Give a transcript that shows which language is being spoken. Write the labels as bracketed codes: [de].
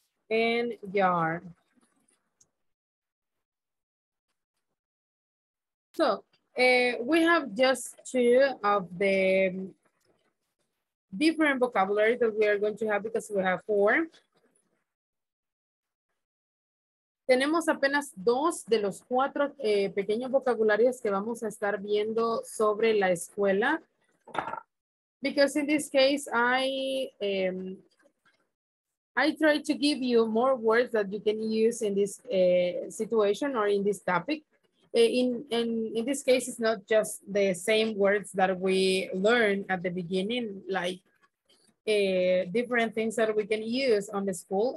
[en] and yard. So we have just two of the different vocabulary that we are going to have because we have four. [es] Tenemos apenas dos de los cuatro pequeños vocabularios que vamos a estar viendo sobre la escuela. [en] Because in this case, I try to give you more words that you can use in this situation or in this topic. In this case, it's not just the same words that we learned at the beginning, like different things that we can use on the school.